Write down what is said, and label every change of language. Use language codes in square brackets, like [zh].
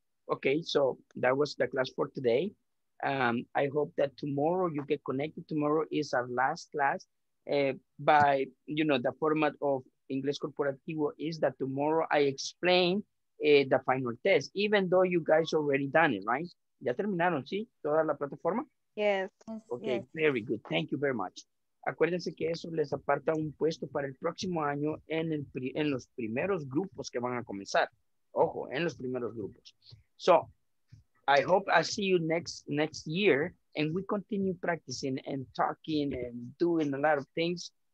[en] Okay, so that was the class for today. I hope that tomorrow you get connected. Tomorrow is our last class. By, you know, the format of Inglés Corporativo is that tomorrow I explain the final test, even though you guys already done it, right? [es] Ya terminaron, ¿sí? Toda la plataforma? [en] Yes. Okay, yes. Very good. Thank you very much. [es] Acuérdense que eso les aparta un puesto para el próximo año en los primeros grupos que van a comenzar. Ojo, en los primeros grupos. [en] So, I hope I see you next year. And we continue practicing and talking and doing a lot of things.